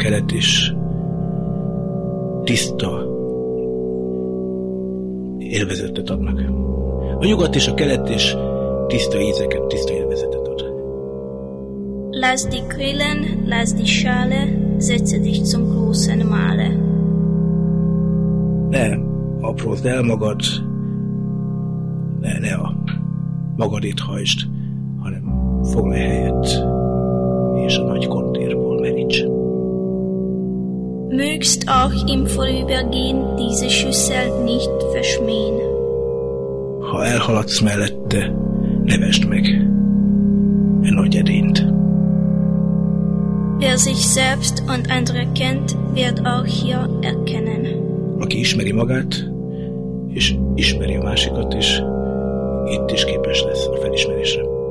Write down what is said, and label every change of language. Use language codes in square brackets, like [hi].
[hu] És tiszta élvezetet adnak. A nyugat és a kelet is tiszta ízeket, tiszta élvezetet ad. [de] Lass die Quellen, lass die Schale, setze dich zum großen Male. [hu] Ne aprózd el magad, ne a magadét hajtsd, hanem foglalj helyet, és a nagy kontérból meríts. [de] mögst auch im Vorübergehen diese Schüssel nicht verschmähen. [hu] Ha elhaladsz mellette, nevesd meg e nagy edényt. [de] Wer sich selbst und andere kennt, wird auch hier erkennen. [hu] Aki ismeri magát, és ismeri a másikat is, itt is képes lesz a felismerésre.